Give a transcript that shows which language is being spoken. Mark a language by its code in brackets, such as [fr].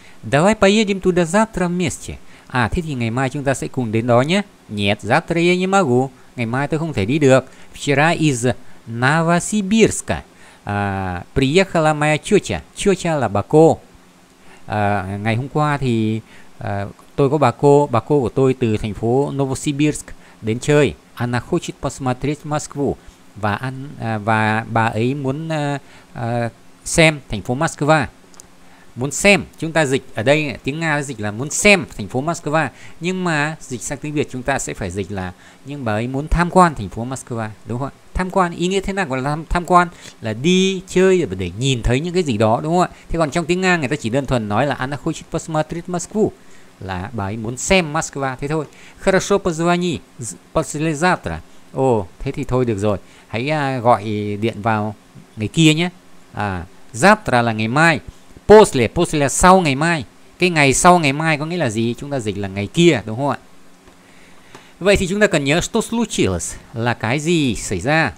[ru] Давай поедем туда завтра вместе. [vi] À, thế thì ngày mai chúng ta sẽ cùng đến đó nhé. [ru] Нет, завтра я не могу. [vi] Ngày mai tôi không thể đi được. [ru] Вчера из Новосибирска приехала моя тетя. [vi] Тетя là bà cô. Ngày hôm qua thì tôi có bà cô của tôi từ thành phố Novosibirsk đến chơi. [ru] Она хочет посмотреть Москву. [vi] Và bà ấy muốn xem thành phố Moscow. Muốn xem, chúng ta dịch ở đây tiếng Nga dịch là muốn xem thành phố Moscow, nhưng mà dịch sang tiếng Việt chúng ta sẽ phải dịch là nhưng bà ấy muốn tham quan thành phố Moscow, đúng không ạ? Tham quan ý nghĩa thế nào gọi là tham quan? Là đi chơi để nhìn thấy những cái gì đó đúng không ạ? Thế còn trong tiếng Nga người ta chỉ đơn thuần nói là [ru] Anna хочет посмотреть Москву, [vi] là bà ấy muốn xem Moscow thế thôi. [ru] Хорошо, позвони послезавтра. [vi] Ồ, thế thì thôi được rồi. Hãy gọi điện vào ngày kia nhé. À, завтра là ngày mai. После là sau ngày mai. Cái ngày sau ngày mai có nghĩa là gì? Chúng ta dịch là ngày kia, đúng không ạ? Vậy thì chúng ta cần nhớ [ru] что случилось [vi] là cái gì xảy ra.